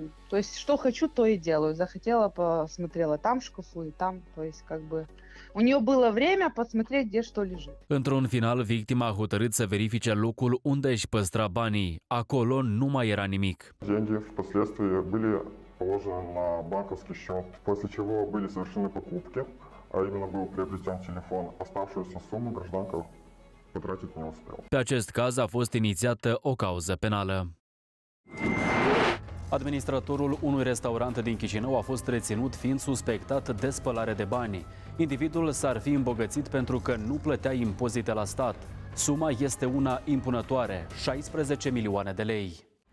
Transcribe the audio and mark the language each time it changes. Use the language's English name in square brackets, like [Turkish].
[Russian] То есть, что хочу, то и делаю. Захотела, посмотрела там шкафу и там. То есть, как бы, у нее было время посмотреть, где что лежит. [Romanian] Într-un final, victima a hotărât să verifice locul unde își păstra banii. Acolo nu mai era nimic. [Russian] Деньги впоследствии были положены на банковский счет, после чего были совершены покупки, а именно был приобретен телефон. Оставшуюся сумму гражданка потратить не успел. [Romanian] Pe acest caz a fost inițiată o cauză penală. Administratorul unui restaurant din Chișinău a fost reținut fiind suspectat de spălare de bani. Individul s-ar fi îmbogățit pentru că nu plătea impozite la stat. Suma este una impunătoare, 16 milioane de lei.